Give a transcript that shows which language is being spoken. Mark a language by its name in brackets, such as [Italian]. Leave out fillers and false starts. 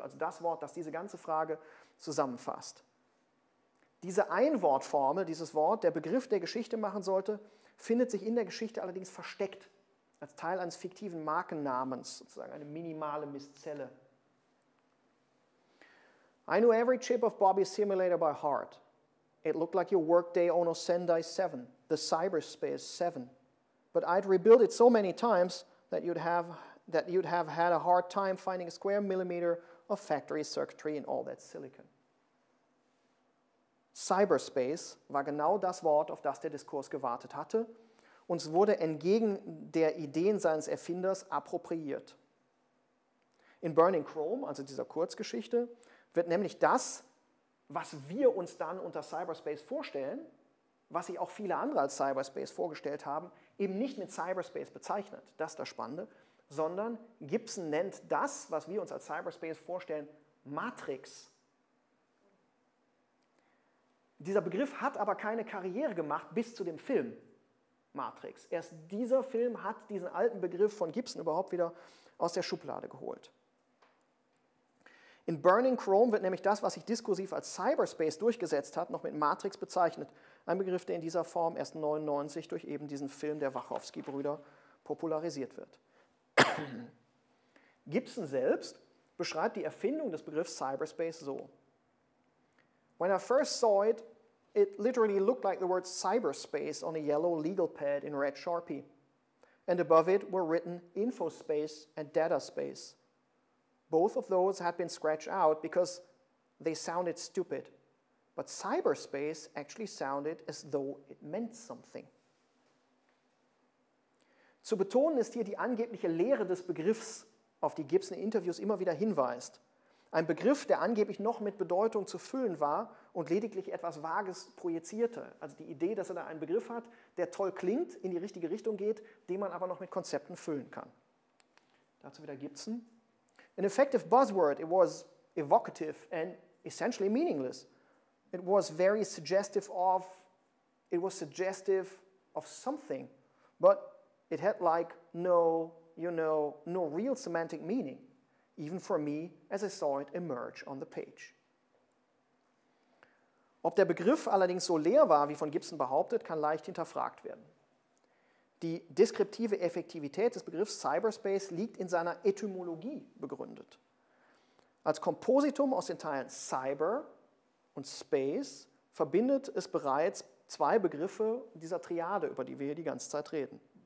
[German] Also das Wort, das diese ganze Frage zusammenfasst. Diese Einwortformel, dieses Wort, der Begriff der Geschichte machen sollte, findet sich in der Geschichte allerdings versteckt, als Teil eines fiktiven Markennamens, sozusagen eine minimale Misszelle. [English] I knew every chip of Bobby's simulator by heart. It looked like your workday on a Sendai 7, the cyberspace 7. But I'd rebuild it so many times that you'd have had a hard time finding a square millimeter of factory circuitry in all that silicon. [German] Cyberspace war genau das Wort, auf das der Diskurs gewartet hatte. Uns wurde entgegen der Ideen seines Erfinders appropriiert. In Burning Chrome, also dieser Kurzgeschichte, wird nämlich das, was wir uns dann unter Cyberspace vorstellen, was sich auch viele andere als Cyberspace vorgestellt haben, eben nicht mit Cyberspace bezeichnet, das ist das Spannende, sondern Gibson nennt das, was wir uns als Cyberspace vorstellen, Matrix. Dieser Begriff hat aber keine Karriere gemacht bis zu dem Film Matrix. Erst dieser Film hat diesen alten Begriff von Gibson überhaupt wieder aus der Schublade geholt. In Burning Chrome wird nämlich das, was sich diskursiv als Cyberspace durchgesetzt hat, noch mit Matrix bezeichnet. Ein Begriff, der in dieser Form erst 1999 durch eben diesen Film der Wachowski-Brüder popularisiert wird. Gibson selbst beschreibt die Erfindung des Begriffs Cyberspace so. [English] When I first saw it, it literally looked like the word cyberspace on a yellow legal pad in red Sharpie. And above it were written infospace and data space. Both of those had been scratched out because they sounded stupid. But cyberspace actually sounded as though it meant something. [German] Zu betonen ist hier die angebliche Leere des Begriffs, auf die Gibson in Interviews immer wieder hinweist. Ein Begriff, der angeblich noch mit Bedeutung zu füllen war und lediglich etwas Vages projizierte. Also die Idee, dass er da einen Begriff hat, der toll klingt, in die richtige Richtung geht, den man aber noch mit Konzepten füllen kann. Dazu wieder Gibson. [English] An effective buzzword, it was evocative and essentially meaningless. It was very suggestive of, it was suggestive of something, but it had like no, you know, no real semantic meaning, even for me as I saw it emerge on the page. [German] Ob der Begriff allerdings so leer war, wie von Gibson behauptet, kann leicht hinterfragt werden. Die deskriptive Effektivität des Begriffs Cyberspace liegt in seiner Etymologie begründet. Als Kompositum aus den Teilen Cyber und Space verbindet es bereits zwei Begriffe dieser Triade, über die wir hier die ganze Zeit reden.